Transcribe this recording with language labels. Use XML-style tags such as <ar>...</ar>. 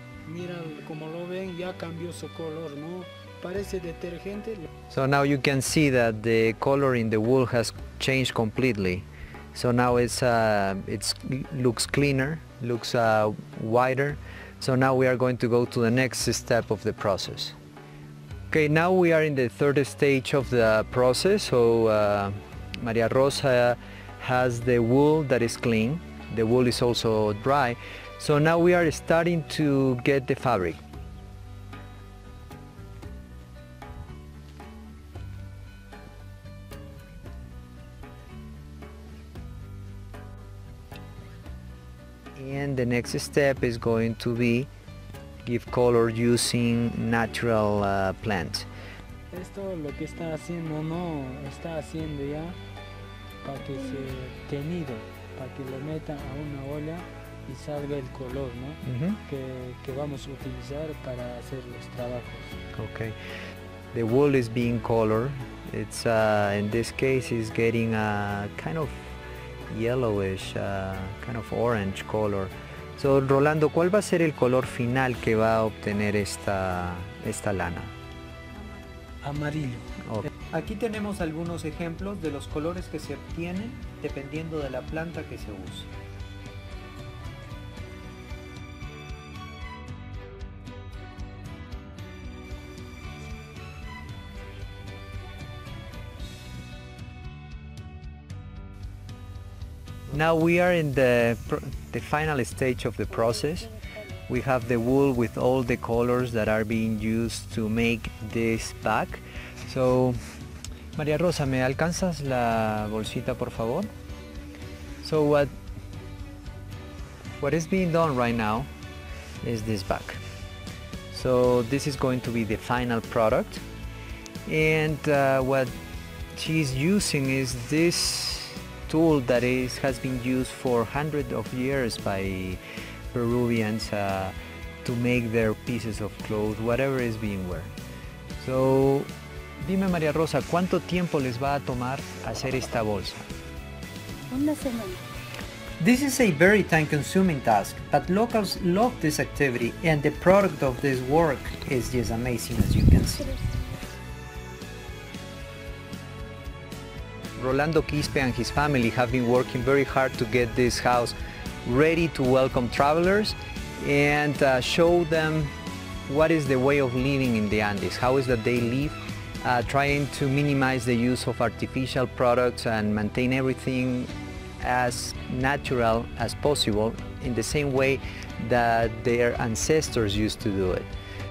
<es>Mira, como lo ven, ya cambió su color, ¿no? Parece detergente.</es> <en>So now you can see that the color in the wool has changed completely. So now it looks cleaner, looks whiter. So now we are going to go to the next step of the process. Okay, now we are in the third stage of the process. So María Rosa has the wool that is clean. The wool is also dry. So now we are starting to get the fabric. And the next step is going to be give color using natural plant.</en> <es>Esto lo que está haciendo, no, está haciendo ya para que se teñido, para que lo meta a una olla y salga el color, ¿no? Que vamos a utilizar para hacer los trabajos.</es> <en>Okay. The wool is being colored. It's in this case is getting a kind of yellowish, kind of orange color. So,</en> <es>Rolando, ¿cuál va a ser el color final que va a obtener esta lana? Amarillo.</es> <en>Okay.</en> <es>Aquí tenemos algunos ejemplos de los colores que se obtienen dependiendo de la planta que se use.</es> <en>Now we are in the final stage of the process. We have the wool with all the colors that are being used to make this bag. So,</en> <es>María Rosa, ¿me alcanzas la bolsita, por favor?</es> <en>So what is being done right now is this bag. So this is going to be the final product. And what she's using is this tool that has been used for hundreds of years by Peruvians to make their pieces of clothes, whatever is being worn. So,</en> <es>dime María Rosa, ¿cuánto tiempo les va a tomar hacer esta bolsa? Una semana.</es> <en>This is a very time-consuming task, but locals love this activity and the product of this work is just amazing, as you can see. Rolando Quispe and his family have been working very hard to get this house ready to welcome travelers and show them what is the way of living in the Andes, how is that they live, trying to minimize the use of artificial products and maintain everything as natural as possible in the same way that their ancestors used to do it.</en>